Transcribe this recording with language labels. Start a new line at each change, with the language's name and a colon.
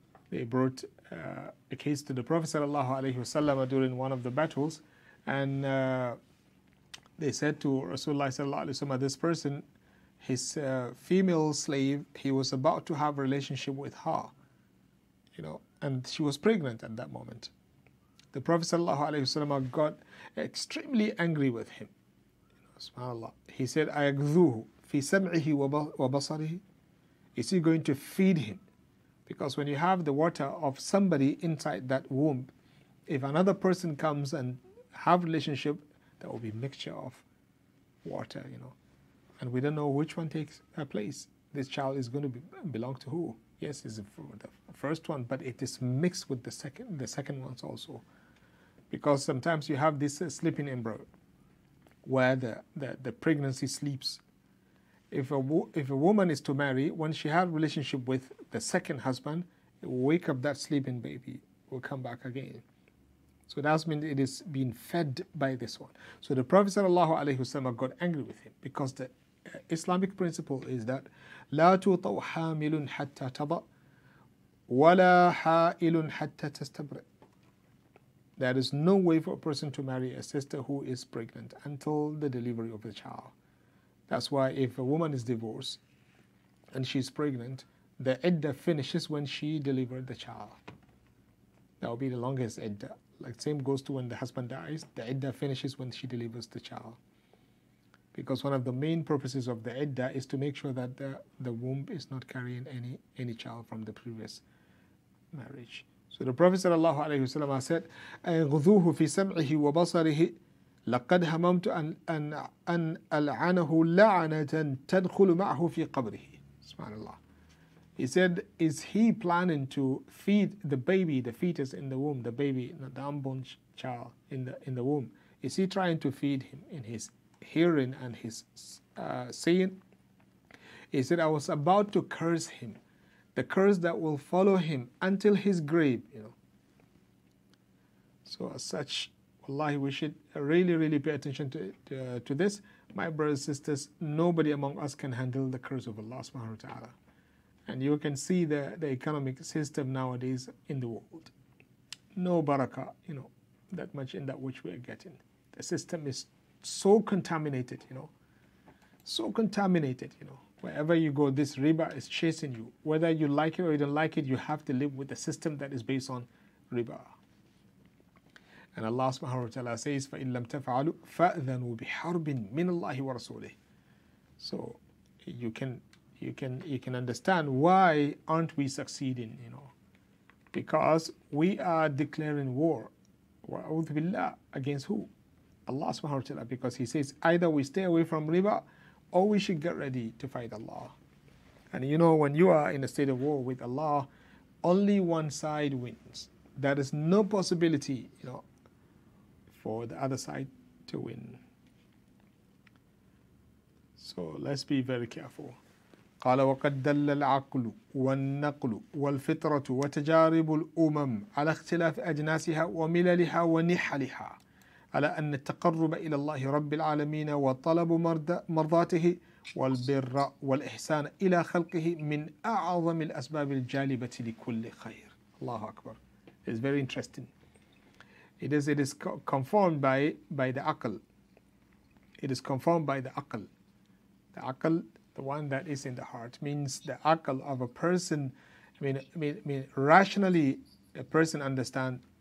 English: They brought a case to the Prophet sallallahu alaihi wasallam during one of the battles, and they said to Rasulullah sallallahu alaihi wasallam, this person, his female slave, he was about to have a relationship with her, you know, and she was pregnant at that moment. The Prophet sallallahu alaihi wasallam got extremely angry with him. Subhanallah. He said,
Arabic: أَيَقْذُوهُ فِي سَمْعِهِ وَبَصَرِهِ.
English: Is he going to feed him? Because when you have the water of somebody inside that womb, if another person comes and have relationship, there will be a mixture of water, you know. And we don't know which one takes place. This child is going to belong to who? Yes, it's for the first one, but it is mixed with the second ones also. Because sometimes you have this sleeping embryo where the pregnancy sleeps. If a woman is to marry, when she had a relationship with the second husband, it will wake up that sleeping baby, will come back again. So that means it is being fed by this one. So the Prophet ﷺ got angry with him because the Islamic principle is that
Arabic: لا تطو حامل حتى تضع ولا حائل حتى تستبرئ.
English: There is no way for a person to marry a sister who is pregnant until the delivery of the child. That's why if a woman is divorced and she's pregnant, the iddah finishes when she delivered the child. That will be the longest iddah. Like same goes to when the husband dies, the iddah finishes when she delivers the child. Because one of the main purposes of the iddah is to make sure that the womb is not carrying any child from the previous marriage. So the Prophet sallallahu alaihi wasallam said,
Arabic: "أَيْغُذُوهُ فِي سَمْعِهِ وَبَصَرِهِ لَقَدْ هَمَمْتُ أَنْ أَلْعَنَهُ لَعَنَةً تَدْخُلُ مَعْهُ فِي قَبْرِهِ."
English: Subhanallah. He said, is he planning to feed the baby, the fetus in the womb, the baby, not the unborn child in the womb? Is he trying to feed him in his hearing and his seeing? He said, I was about to curse him, the curse that will follow him until his grave, you know. So as such, wallahi, we should really, really pay attention to this. My brothers and sisters, nobody among us can handle the curse of Allah subhanahu wa ta'ala. And you can see the economic system nowadays in the world. No barakah, you know, that much in that which we are getting. The system is so contaminated, you know. So contaminated, you know. Wherever you go, this riba is chasing you. Whether you like it or you don't like it, you have to live with a system that is based on riba. And Allah subhanahu wa ta'ala says,
Arabic: فَإِن لَمْ تَفَعَلُوا فَأَذَنُوا بِحَرْبٍ مِّنَ اللَّهِ وَرَسُولِهِ.
English: So you can understand why aren't we succeeding, you know. Because we are declaring war.
Arabic: وَأَعُوذُ بِاللَّهِ
English: against who? Allah subhanahu wa ta'ala. Because he says either we stay away from riba or we should get ready to fight Allah. And you know, when you are in a state of war with Allah, only one side wins. There is no possibility, you know, for the other side to win. So let's be very careful.
Arabic: قال وقد دل العقل والنقل والفطرة وتجارب الأمم على اختلاف أجناسها ومللها ونحلها على أن التقرب إلى الله رب العالمين وطلب مرضاته والبر والإحسان إلى خلقه من أعظم الأسباب الجالبة لكل خير. الله أكبر.
English: It's very interesting. It is confirmed by the aql. It is confirmed by the aql. The aql, the one that is in the heart, means the aql of a person. I mean, rationally, a person understand.